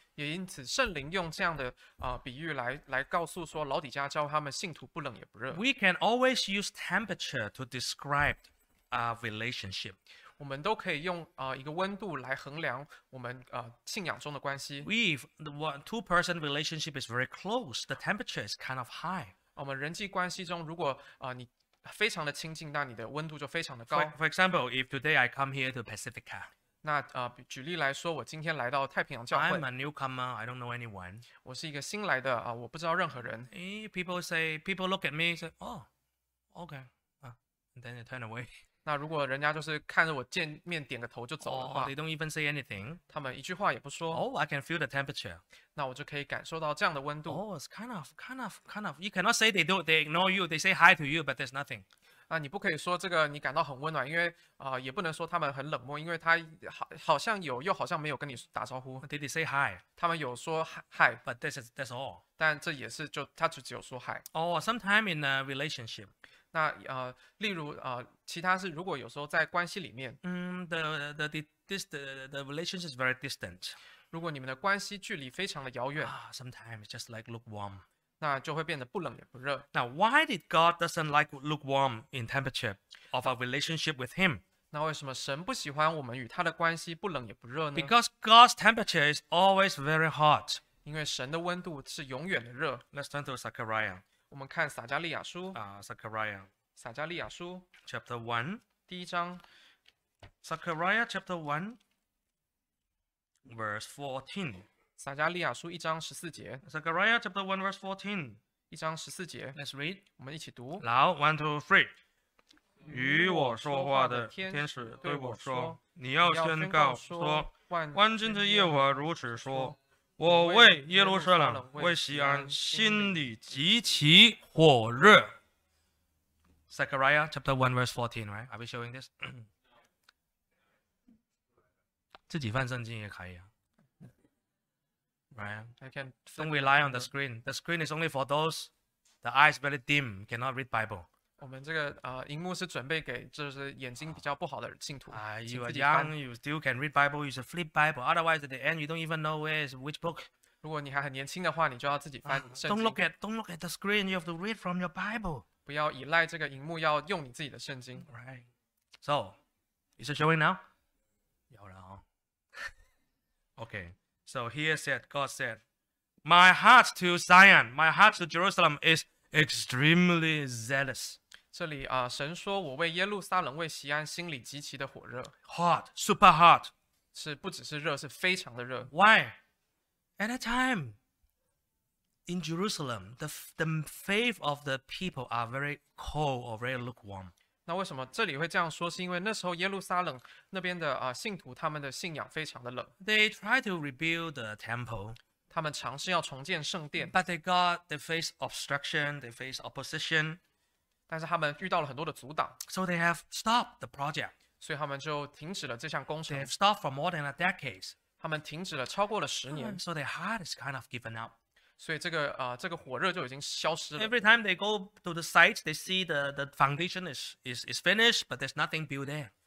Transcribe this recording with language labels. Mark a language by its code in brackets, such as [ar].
[zh] 也因此圣灵用这样的比喻来告诉说老底家教会他们信徒不冷也不热。 [en] We can always use temperature to describe our relationship. [zh] 我们都可以用一个温度来衡量我们信仰中的关系。 [en] If the two-person relationship is very close, the temperature is kind of high. [zh] 我们人际关系中，如果你非常的亲近，那你的温度就非常的高。 [en] For example, if today I come here to Pacifica, [zh] 那举例来说，我今天来到太平洋教会。 [en] I'm a newcomer. I don't know anyone. [zh] 我是一个新来的我不知道任何人。 [en] People look at me, say, "Oh, okay," and then they turn away. [zh] 那如果人家就是看着我见面点个头就走的话 [en] they don't even say anything. [zh] 他们一句话也不说。 [en] Oh, I can feel the temperature. 那我就可以感受到这样的温度。 Oh, it's kind of. You cannot say they ignore you. They say hi to you, but there's nothing. [zh] 那你不可以说这个你感到很温暖，因为也不能说他们很冷漠，因为他好像有又好像没有跟你打招呼。 [en] Did they say hi? [zh] 他们有说 hi, [en] but that's all. [zh] 但这也是就他只有说 hi. [en] Oh, sometime in a relationship. [zh] 那例如其他是如果有时候在关系里面， [en] the relationship is very distant. [zh] 如果你们的关系距离非常的遥远 [en] ，sometimes just like lukewarm. [zh] 那就会变得不冷也不热。 [en] Now why did God doesn't like lukewarm in temperature of our relationship with Him? [zh] 那为什么神不喜欢我们与他的关系不冷也不热呢 [en] ？Because God's temperature is always very hot. [zh] 因为神的温度是永远的热。 [en] Let's turn to Zechariah. [zh] 我们看撒加利亚书 [en] ，Zechariah [zh] 撒迦利亚书 [en] chapter 1 [zh] 第一章 [en] Zechariah chapter 1 verse 14 [zh] 撒迦利亚书一章十四节 [en] Zechariah chapter 1 verse 14 [zh] 一章十四节 [en] Let's read [zh] 我们一起读好 1, 2, 3与我说话的天使对我说你要宣告说万军之耶和华如此说我为耶路撒冷为锡安心里极其火热 [en] Zechariah chapter 1 verse 14 right? Are we showing this? [zh] 自己翻圣经也可以啊Right. [en] I can don't rely on the screen. The screen is only for those the eyes very dim cannot read Bible. [zh] 我们这个荧幕是准备给就是眼睛比较不好的信徒。 [en] You are young, you still can read Bible. You should flip Bible. Otherwise, at the end, you don't even know where is which book. [zh] 如果你还很年轻的话，你就要自己翻圣经。 [en] Don't look at the screen. You have to read from your Bible. [zh] 不要依赖这个荧幕，要用你自己的圣经。 [en] Right. So, is it showing now? [zh] 有了哦。 [en] Okay. So here said, God said, My heart to Zion, my heart to Jerusalem is extremely zealous. [zh] 这里神说我为耶路撒冷为锡安心里极其的火热。 [en] Hot, super hot. [zh] 是不只是热是非常的热。 [en] Why? At that time, in Jerusalem, the faith of the people are very cold or very lukewarm. [zh] 那为什么这里会这样说？是因为那时候耶路撒冷那边的信徒，他们的信仰非常的冷。 [en] They try to rebuild the temple. [zh] 他们尝试要重建圣殿。 [en] But they face obstruction, they face opposition. [zh] 但是他们遇到了很多的阻挡。 [en] So they have stopped the project. [zh] 所以他们就停止了这项工程。 [en] They have stopped for more than a decade. [zh] 他们停止了超过了十年。 [en] So their heart is kind of given up. [zh] 所以这个火热就已经消失了。 [en] Every time they go to the site, they see the foundation is finished, but there's nothing built there.